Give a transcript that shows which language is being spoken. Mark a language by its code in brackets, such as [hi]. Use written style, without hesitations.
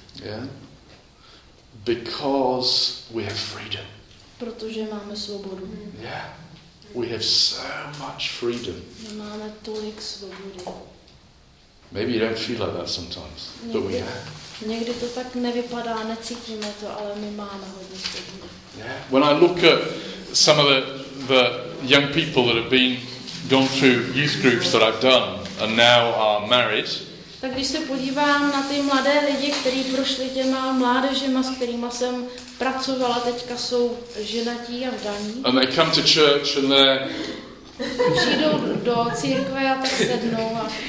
[en] Yeah. Because we have freedom. [cs] Protože máme svobodu. [en] Yeah. We have so much freedom. [cs] Máme tolik svobody. [en] Maybe you don't feel like that sometimes, [cs] někdy, [en] but we have. [cs] Někdy to tak nevypadá, necítíme to, ale my máme hodně svobody. [en] Yeah. When I look at some of the young people that have been gone through youth groups that I've done and now are married. [cs] Tak když se podívám na ty mladé lidi, kteří prošli těma mládežema, s kterýma jsem pracovala, teďka jsou ženatí a vdaní. [en] And they come to church and they [cs] přijdou do církve a tak sednou a